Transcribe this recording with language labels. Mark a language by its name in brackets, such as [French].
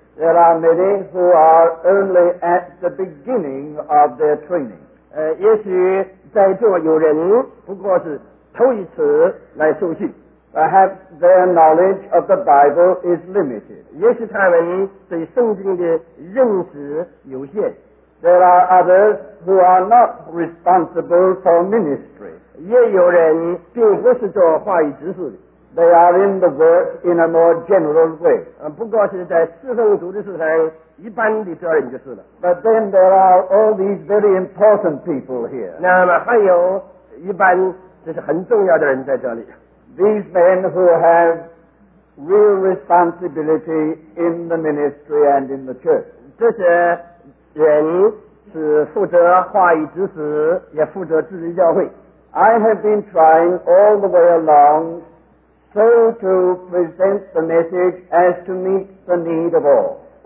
[English] There are many who are only at the beginning of their training. [Chinese] 也许在座有人不过是头一次来受训。 [English] Perhaps their knowledge of the Bible is limited. [Chinese] 也许他们对圣经的认识有限。 [English] There are others who are not responsible for ministry. [Chinese] 也有人并不是做话语执事的。 [English] They are in the work in a more general way. [Chinese] 不过是在侍奉主的事上一般的责任就是了。 [English] But then there are all these very important people here. [Chinese] 那么还有一般就是很重要的人在这里。 [English] These men who have real responsibility in the ministry and in the church. [Chinese] 这些人是负责话语执事，也负责治理教会。 [English] I have been trying all the way along so to present the message as to meet the need of all.